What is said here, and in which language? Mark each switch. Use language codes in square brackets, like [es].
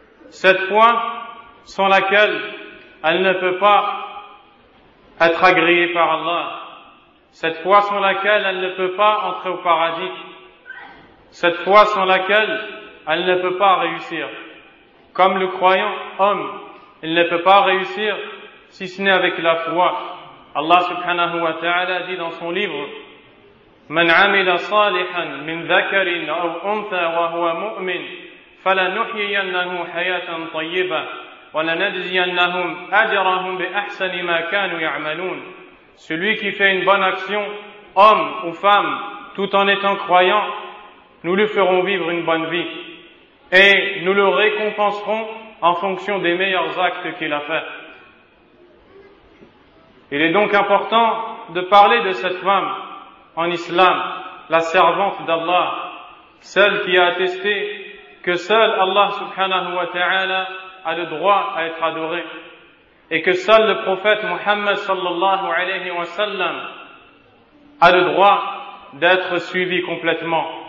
[fr] Cette foi sans laquelle elle ne peut pas être agréée par Allah. Cette foi sans laquelle elle ne peut pas entrer au paradis. Cette foi sans laquelle elle ne peut pas réussir. Comme le croyant homme, il ne peut pas réussir si ce n'est avec la foi. Allah subhanahu wa ta'ala dit dans son livre: [ar] من عمل صالحا من ذكر أو أنثى وهو مؤمن فلنحيينه حياة طيبة ولنجزينهم أجرهم بأحسن ما كانوا يعملون. [fr] Celui qui fait une bonne action, homme ou femme, tout en étant croyant, nous lui ferons vivre une bonne vie. Et nous le récompenserons en fonction des meilleurs actes qu'il a faits. Il est donc important de parler de cette femme en islam, la servante d'Allah, celle qui a attesté que seul Allah subhanahu wa ta'ala a le droit à être adoré, et que seul le prophète Muhammad sallallahu alayhi wa sallam a le droit d'être suivi complètement.